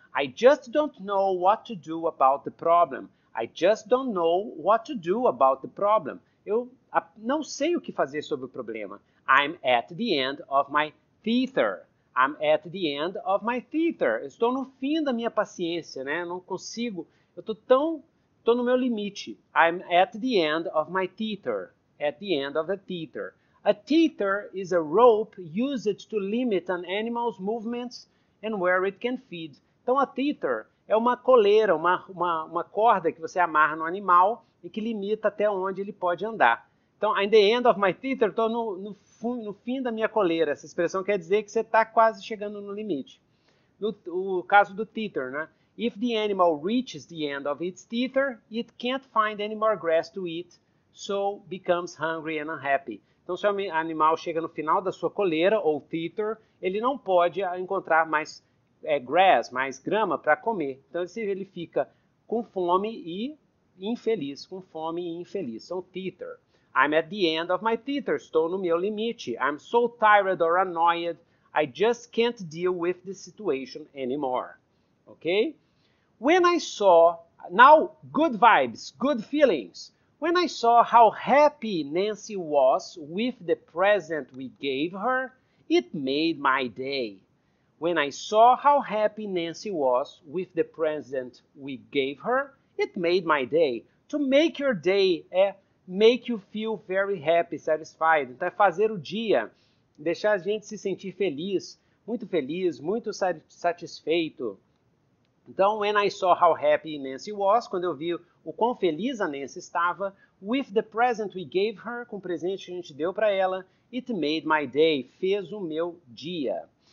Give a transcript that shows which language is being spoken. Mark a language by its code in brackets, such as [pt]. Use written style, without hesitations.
[en] I just don't know what to do about the problem. I just don't know what to do about the problem. [pt] Eu não sei o que fazer sobre o problema. [en] I'm at the end of my tether. I'm at the end of my tether. [pt] Estou no fim da minha paciência, né? Não consigo. Estou no meu limite. [en] I'm at the end of my tether. At the end of the tether. A tether is a rope used to limit an animal's movements and where it can feed. [pt] Então, a tether é uma coleira, uma corda que você amarra no animal e que limita até onde ele pode andar. Então, [en] at the end of my tether, [pt] estou no fim da minha coleira. Essa expressão quer dizer que você está quase chegando no limite. No caso do tether, né? [en] If the animal reaches the end of its tether, it can't find any more grass to eat, so becomes hungry and unhappy. [pt] Então, se o animal chega no final da sua coleira, ou tether, ele não pode encontrar mais grass, mais grama para comer. Então, ele fica com fome e infeliz, com fome e infeliz. [en] Então, tether. I'm at the end of my tether. [pt] Estou no meu limite. [en] I'm so tired or annoyed. I just can't deal with the situation anymore. Okay? When I saw... Now, good vibes, good feelings. When I saw how happy Nancy was with the present we gave her, it made my day. When I saw how happy Nancy was with the present we gave her, it made my day. To make your day é make you feel very happy, satisfied. [pt] Então é fazer o dia, deixar a gente se sentir feliz, muito satisfeito. Então, [en] when I saw how happy Nancy was, [pt] quando eu vi o quão feliz a Nancy estava, [en] with the present we gave her, [pt] com o presente que a gente deu para ela, [en] it made my day, [pt] fez o meu dia.